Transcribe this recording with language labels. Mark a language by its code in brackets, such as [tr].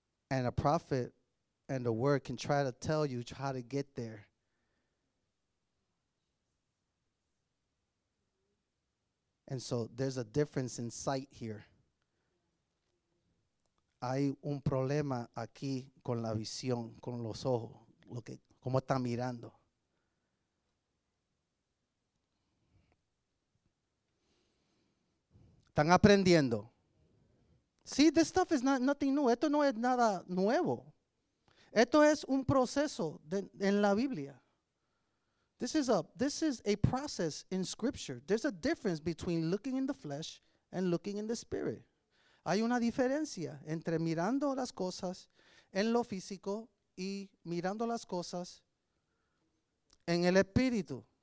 [en] And a prophet and a word can try to tell you how to get there. And so there's a difference in sight here. [es] Hay un problema aquí con la visión, con los ojos, lo que, cómo está mirando. Están aprendiendo. [en] See, this stuff is nothing new. [es] Esto no es nada nuevo. Esto es un proceso en la Biblia. [en] This is a process in Scripture. There's a difference between looking in the flesh and looking in the spirit. [es] Hay una diferencia entre mirando las cosas en lo físico y mirando las cosas en el espíritu.